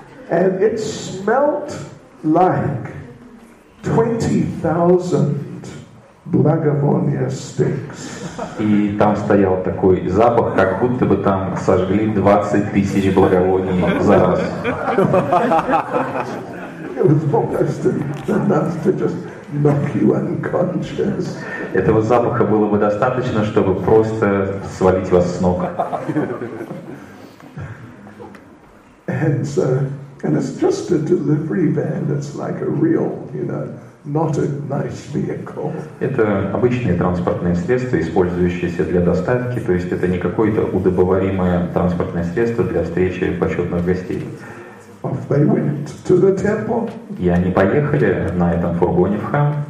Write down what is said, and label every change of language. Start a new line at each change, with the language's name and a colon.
English: And it smelled like 20,000
Russian: благовония
English: sticks.
Russian: И там стоял такой запах, как будто бы там сожгли 20,000 благовоний за раз.
English: It was almost enough to just knock you unconscious.
Russian: Этого запаха было бы достаточно, чтобы просто свалить вас с ног.
English: And it's just a delivery van. It's like a real, you know, not a nice vehicle.
Russian: Это обычное транспортное средство, использующееся для доставки. То есть это не какое-то удобоваримое транспортное средство для встречи почетных гостей.
English: Off they went to the temple.
Russian: И они поехали на этом фургоне в храм.